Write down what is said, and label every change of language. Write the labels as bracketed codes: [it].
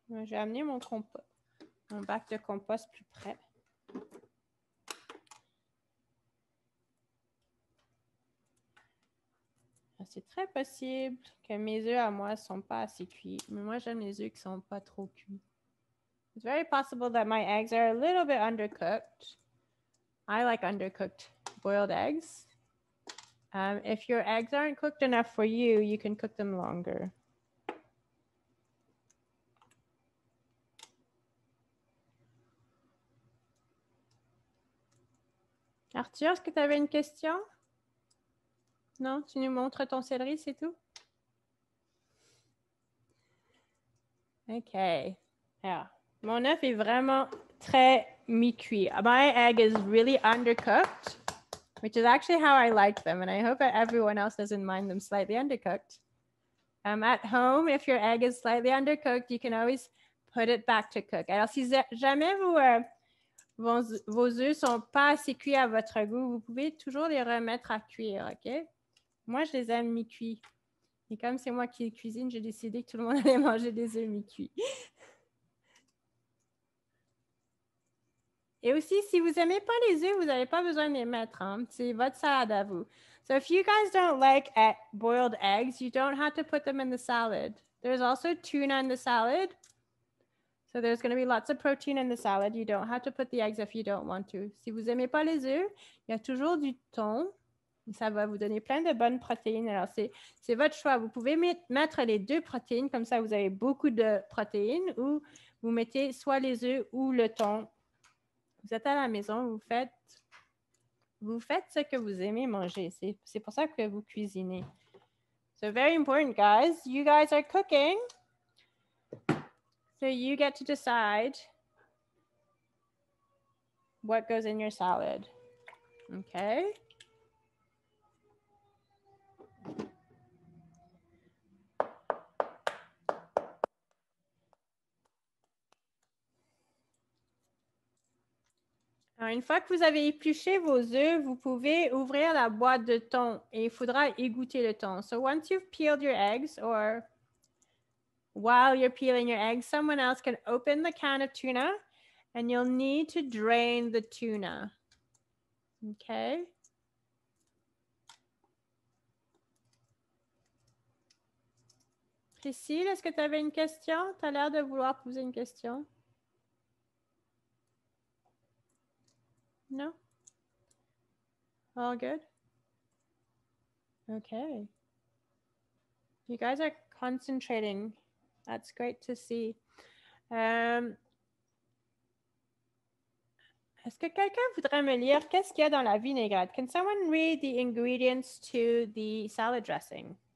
[fr] J'ai amené mon bac de compost plus près. C'est très possible que mes œufs à moi ne sont pas assez cuits. Mais moi, j'aime les œufs qui ne sont pas trop cuits. [en] It's very possible that my eggs are a little bit undercooked. I like undercooked boiled eggs. If your eggs aren't cooked enough for you, you can cook them longer. [fr] Arthur, est-ce que tu avais une question? Non, tu nous montres ton céleri, c'est tout? OK. Yeah. Mon œuf est vraiment très mi-cuit. [en] My egg is really undercooked, which is actually how I like them, and I hope that everyone else doesn't mind them slightly undercooked. At home, if your egg is slightly undercooked, you can always put it back to cook. [fr] Alors, si jamais vos œufs ne sont pas assez cuits à votre goût, vous pouvez toujours les remettre à cuire, OK? Moi, je les aime mi-cuits. Et comme c'est moi qui les cuisine, j'ai décidé que tout le monde allait manger des œufs mi-cuits. Et aussi, si vous n'aimez pas les œufs, vous n'avez pas besoin de les mettre. Hein? C'est votre salade à vous. [en] So if you guys don't like boiled eggs, you don't have to put them in the salad. There's also tuna in the salad. So there's going to be lots of protein in the salad. You don't have to put the eggs if you don't want to. [fr] Si vous n'aimez pas les œufs, il y a toujours du thon. Ça va vous donner plein de bonnes protéines. Alors, c'est votre choix. Vous pouvez mettre les deux protéines, comme ça vous avez beaucoup de protéines, ou vous mettez soit les œufs ou le thon. Vous êtes à la maison, vous faites ce que vous aimez manger. C'est pour ça que vous cuisinez. [en] So, very important, guys. You guys are cooking. So, you get to decide what goes in your salad. Okay. [fr] Alors, une fois que vous avez épluché vos œufs, vous pouvez ouvrir la boîte de thon et il faudra égoutter le thon. [en] So once you've peeled your eggs, or while you're peeling your eggs, someone else can open the can of tuna and you'll need to drain the tuna. Okay. [fr] Cécile, est-ce que tu avais une question? Tu as l'air de vouloir poser une question. [en] Non? All good? Okay. You guys are concentrating. That's great to see. [fr] Est-ce que quelqu'un voudrait me lire qu'est-ce qu'il y a dans la vinaigrette? [en] Can someone read the ingredients to the salad dressing?